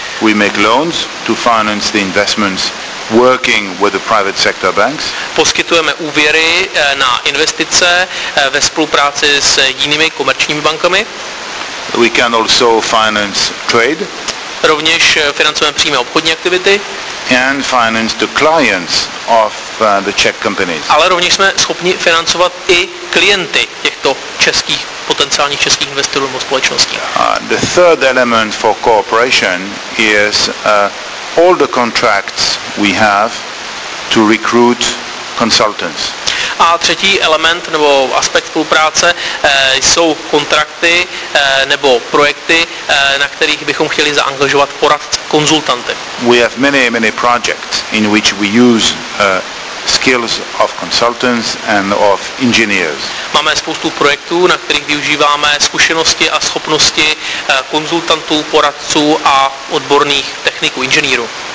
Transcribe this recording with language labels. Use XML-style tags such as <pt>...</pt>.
<en>We make loans to finance the investments working with the private sector banks.</en> <cs>Poskytujeme úvěry na investice ve spolupráci s jinými komerčními bankami.</cs> <en>We can also finance trade.</en> <cs>Rovněž financujeme přímé obchodní aktivity.</cs> <en>And finance the clients of the Czech companies.</en> <cs>Ale rovněž jsme schopni financovat i klienty těchto českých potenciálních českých investorů nebo společností.</cs> <en>The third element for cooperation is all the contracts we have to recruit consultants.</en> <cs>A třetí element nebo aspekt spolupráce jsou kontrakty nebo projekty, na kterých bychom chtěli zaangažovat poradce, konzultanty.</cs> <en>We have many projects in which we use skills of consultants and of engineers.</en> <cs>Máme spoustu projektů, na kterých využíváme zkušenosti a schopnosti konzultantů, poradců a odborných techniků, inženýrů.</cs>